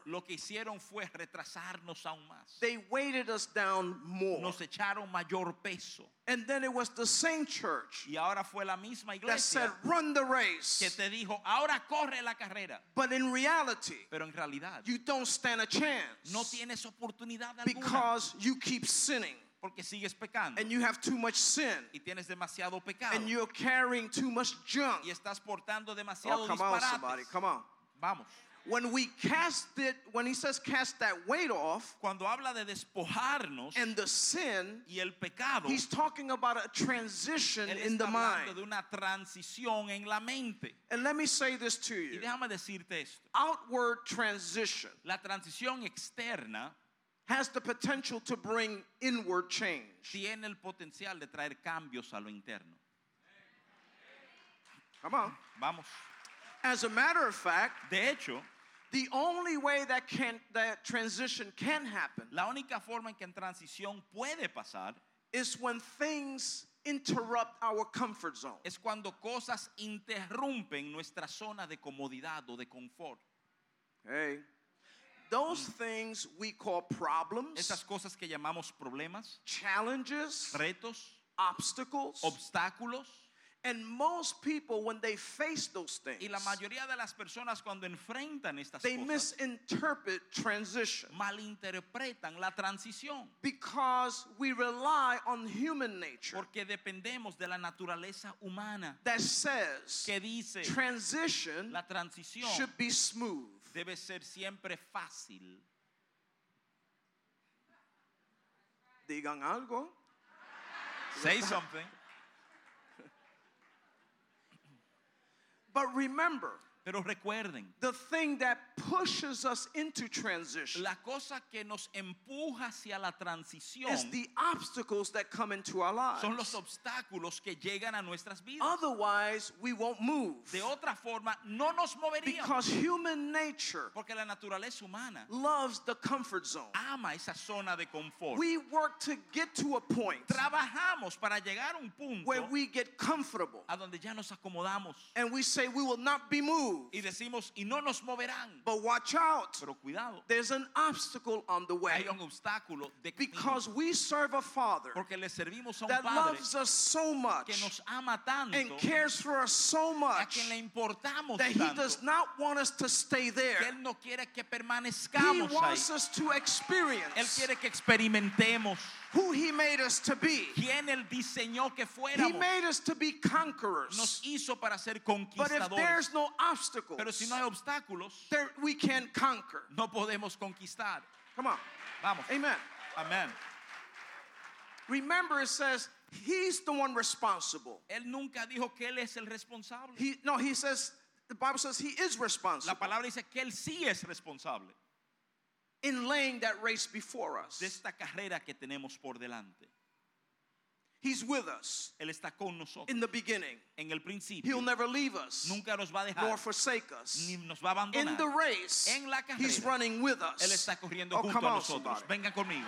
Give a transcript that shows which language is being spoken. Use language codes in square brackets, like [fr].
[es] Lo que hicieron fue retrasarnos aún más. [en] They weighted us down more. [es] Nos echaron mayor peso. [en] And then it was the same church, [es] y ahora fue la misma iglesia, [en] that said, run the race, [es] que te dijo, ahora corre la carrera. [en] But in reality, [es] pero en realidad, [en] you don't stand a chance, [es] no tienes oportunidad alguna, [en] because you keep sinning. [es] Porque sigues pecando. [en] And you have too much sin. [es] Y tienes demasiado pecado. [en] And you're carrying too much junk. [es] Y estás portando demasiado disparates. [en] Oh, come on, somebody. Come on. [es] Vamos. [en] When we cast it, when he says cast that weight off, [es] cuando habla de despojarnos, [en] and the sin, [es] y el pecado, [en] he's talking about a transition in the mind. [es] De una transición en la mente. [en] And let me say this to you. [es] Y déjame decirte esto. [en] Outward transition. [es] La transición externa [en] has the potential to bring inward change. [es] Tiene el potencial de traer cambios a lo interno. [en] Come on. [es] Vamos. [en] As a matter of fact, [es] de hecho, [en] the only way that can that transition can happen, [es] la única forma en que transición puede pasar, [en] is when things interrupt our comfort zone. [es] Es cuando cosas interrumpen nuestra zona de comodidad o de confort. [en] Hey. Those things we call problems, [es] esas cosas que llamamos problemas, [en] challenges, [es] retos, [en] obstacles, [es] obstáculos, [en] and most people when they face those things, [es] y la mayoría de las personas cuando enfrentan estas [en] they [es] cosas, [en] misinterpret transition, [es] malinterpretan la transición, [en] because we rely on human nature, [es] porque dependemos de la naturaleza humana, [en] that says [es] que dice, [en] transition, [es] la transición, [en] should be smooth. [es] Debe ser siempre fácil. Digan algo. [en] Say something. But remember. [es] Pero recuerden. [en] The thing that pushes us into transition. [es] La cosa que nos empuja hacia la transición. [en] Is the obstacles that come into our lives. [es] Son los obstáculos que llegan a nuestras vidas. [en] Otherwise, we won't move. [es] De otra forma, no nos moveríamos. [en] Because human nature. [es] Porque la naturaleza humana. [en] Loves the comfort zone. [es] Ama esa zona de confort. [en] We work to get to a point. [es] Trabajamos para llegar a un punto. [en] Where we get comfortable. [es] A donde ya nos acomodamos. [en] And we say we will not be moved. [es] Y decimos y no nos moverán. [en] But watch out. [es] Pero cuidado. [en] There's an obstacle on the way. [es] Hay un obstáculo de camino. [en] Because we serve a Father. [es] Porque le servimos a un [en] that [es] padre [en] loves us so much. [es] Que nos ama tanto. [en] And cares for us so much. [es] A quien le importamos [en] that [es] tanto. [en] He does not want us to stay there. [es] Que él no quiere que permanezcamos [en] he wants [es] ahí. [en] Us to experience. [es] Él quiere que experimentemos. [en] Who he made us to be. [es] Quien él diseñó que fuéramos. [en] He made us to be conquerors. [es] Nos hizo para ser conquistadores. [en] But if there's no obstacles, [es] pero si no hay obstáculos, [en] there we can't conquer. [es] No podemos conquistar. [en] Come on. [es] Vamos. [en] Amen. [es] Amen. [en] Remember it says he's the one responsible. [es] Él nunca dijo que él es el responsable. [en] He says the Bible says he is responsible. [es] La palabra dice que él sí es responsable. [en] In laying that race before us. [es] De esta carrera que tenemos por delante. [en] He's with us. [es] Él está con nosotros. [en] In the beginning. [es] En el principio. [en] He'll never leave us. [es] Nunca nos va a dejar. [en] Nor forsake us. [es] Ni nos va a abandonar. [en] In the race. [es] En la carrera. [en] He's running with us. [es] Él está corriendo [en] oh, [es] junto [en] come [es] a nosotros. Vengan conmigo.